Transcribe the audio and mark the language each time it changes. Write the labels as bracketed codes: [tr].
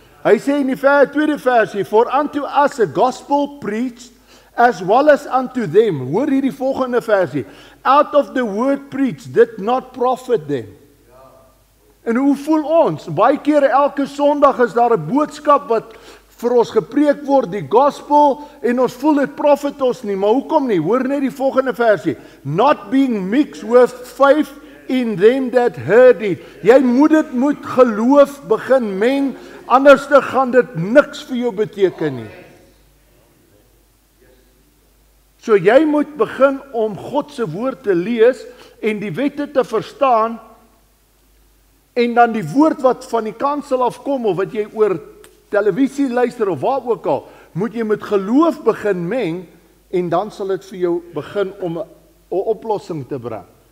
[af] Hy sê in die tweede versie, [en] "For unto us a gospel preached, as well as unto them," [af] hoor hierdie volgende versie, [en] "out of the word preached did not profit them." [af] En hoe voel ons? Baie keer elke Sondag is daar 'n boodskap wat vir ons gepreek word, die gospel, en ons voel dit profit ons nie, maar hoekom nie? Hoor net die volgende versie, [en] "not being mixed with faith in them that heard it." [af] Jy moet dit met geloof begin meng, anders te gaan dit niks vir jou beteken nie. So jy moet begin om God se woord te lees en die wette te verstaan en dan die woord wat van die kansel af kom of wat jy oor televisie luister of waar ook al, moet jy met geloof begin meng en dan sal dit vir jou begin om 'n oplossing te bring.